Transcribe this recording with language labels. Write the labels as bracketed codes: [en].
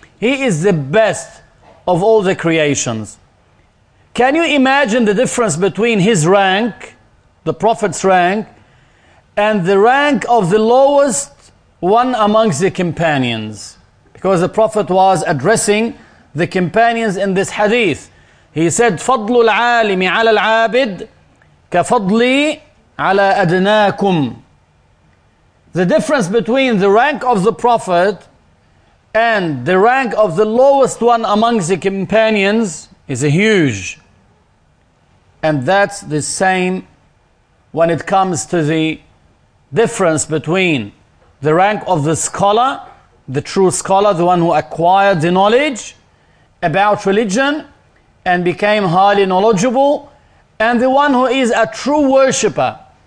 [en] He is the best of all the creations. Can you imagine the difference between his rank, the Prophet's rank, and the rank of the lowest one amongst the companions. Because the Prophet was addressing the companions in this hadith. He said, [ar] فَضْلُ الْعَالِمِ عَلَى الْعَابِدِ كَفَضْلِي عَلَى أَدْنَاكُمْ. [en] The difference between the rank of the Prophet and the rank of the lowest one amongst the companions is a huge. And that's the same when it comes to the difference between the rank of the scholar, the true scholar, the one who acquired the knowledge about religion and became highly knowledgeable, and the one who is a true worshipper.